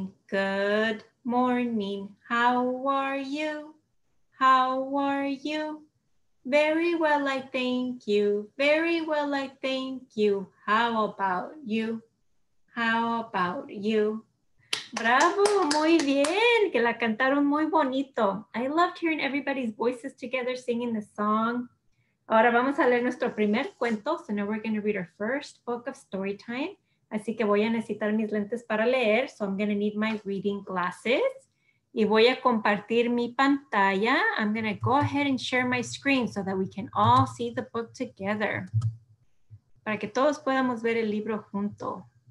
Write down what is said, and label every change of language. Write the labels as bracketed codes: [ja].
[en] Good morning, how are you? How are you? Very well, I thank you, how about you, how about you? [es] Bravo, muy bien, que la cantaron muy bonito. [en] I loved hearing everybody's voices together singing the song. [es] Ahora vamos a leer nuestro primer cuento, [en] so now we're going to read our first book of story time. [es] Así que voy a necesitar mis lentes para leer, [en] so I'm going to need my reading glasses. [es] Y voy a compartir mi pantalla. [en] I'm going to go ahead and share my screen so that we can all see the book together. [es] Para que todos podamos ver el libro junto.